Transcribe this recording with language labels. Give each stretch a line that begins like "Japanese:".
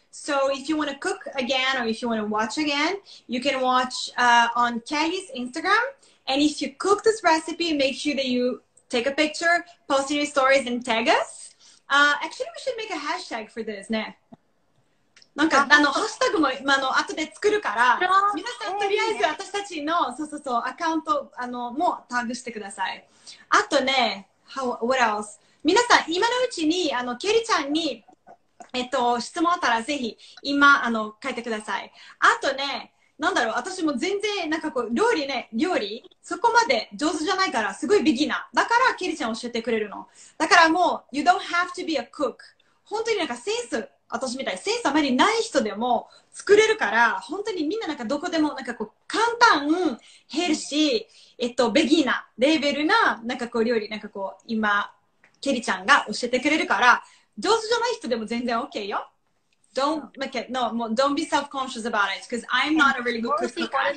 English: So if you want to cook again or if you want to watch again, you can watch、on Kelly's Instagram. And if you cook this recipe, make sure that you take a picture, post your stories and tag us.、actually, we should make a hashtag for this, ね。
Japanese: なんか、あの、ハッシュタグも、ま、あの、後で作るから、皆さん、とりあえず、私たちの、そうそうそう、アカウント、あの、もタグしてください。あとね、
English: what else?
Japanese: 皆さん、今のうちに、あの、ケリちゃんに、質問あったら、ぜひ、今、あの、書いてください。あとね、なんだろう、私も全然、なんかこう、料理、そこまで上手じゃないから、すごいビギナー。だから、ケリちゃん教えてくれるの。だからもう、
English: you don't have to be a cook.
Japanese: 本当になんかセンス、私みたいにセンスあまりない人でも作れるから、本当にみんななんかどこでもなんかこう簡単ヘルシー、ベギーナレーベルななんかこう料理、なんかこう今ケリちゃんが教えてくれるから、上手じゃない人でも全然 OK よ。
English: Don't make it, no, もう Don't be self-conscious about it, because I'm not a really good cook.